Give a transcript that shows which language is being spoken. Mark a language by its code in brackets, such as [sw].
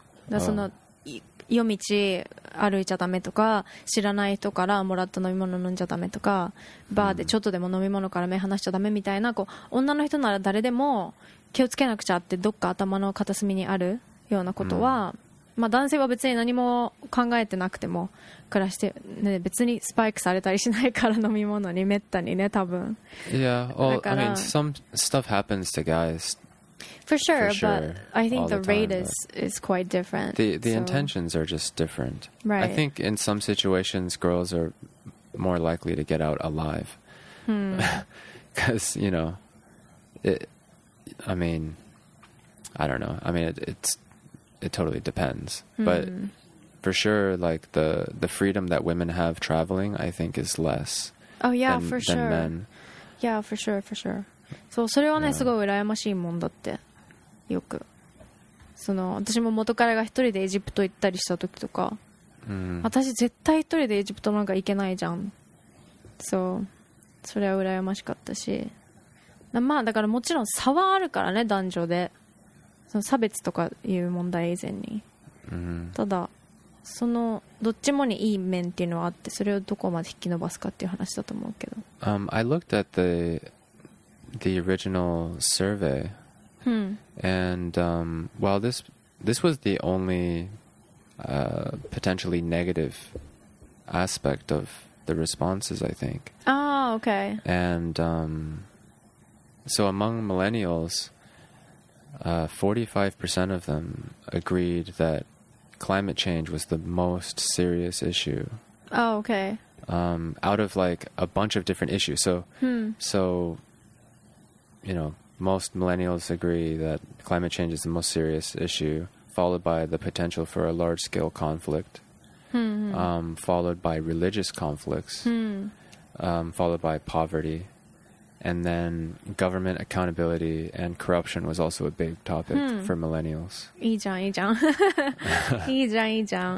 [ja] だその、夜道歩いちゃダメとか、知らない人からもらった飲み物飲んじゃダメとか、バーでちょっとでも飲み物から目離しちゃダメみたいな、こう女の人なら誰でも気をつけなくちゃってどっか頭の片隅にあるようなことは、まあ男性は別に何も考えてなくても暮らして、ね、別にスパイクされたりしないから飲み物にめったにね、多分。 [en] Yeah, well, I mean, some stuff happens to guys. For sure, but I think the rate is quite different. The intentions are just different. Right. I think in some situations, girls are more likely to get out alive. Because, you know, it totally depends. But for sure, like the freedom that women have traveling, I think is less. Oh yeah, for sure. Than men. Yeah, for sure. [ja] So, それはね、すごい羨ましいもんだって。よく。その、私も元彼が一人でエジプト行ったりした時とか。私絶対一人でエジプトなんか行けないじゃん。So, それは羨ましかったし。まあ、だからもちろん差はあるからね、男女で。その差別とかいう問題以前に、ただそのどっちもにいい面っていうのはあって、それをどこまで引き伸ばすかっていう話だと思うけど、 [en] I looked at the original survey、and while this was the only potentially negative aspect of the responses, I think. Ah, okay. And so among millennials, 45% of them agreed that climate change was the most serious issue. Oh, okay. Out of like a bunch of different issues. So, so, you know, most millennials agree that climate change is the most serious issue, followed by the potential for a large scale conflict, followed by religious conflicts, followed by poverty. And then government accountability and corruption was also a big topic for millennials. [ja] いいじゃん、いいじゃん。いいじゃん、いいじゃん。